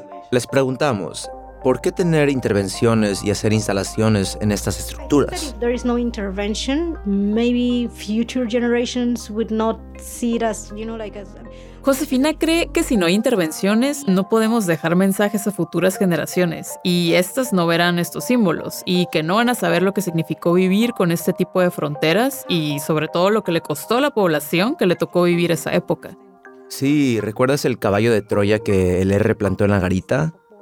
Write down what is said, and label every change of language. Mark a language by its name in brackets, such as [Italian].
[Spanish] Les preguntamos, ¿por qué tener intervenciones y hacer instalaciones en estas estructuras? [English] There is no intervention. Maybe future generations would not see it as, you know, like as. [Spanish] Josefina cree que si no hay intervenciones, no podemos dejar mensajes a futuras generaciones, y estas no verán estos símbolos, y que no van a saber lo que significó vivir con este tipo de fronteras, y sobre todo lo que le costó a la población que le tocó vivir esa época. Sí, ¿recuerdas el caballo de Troya que el R plantó en la garita?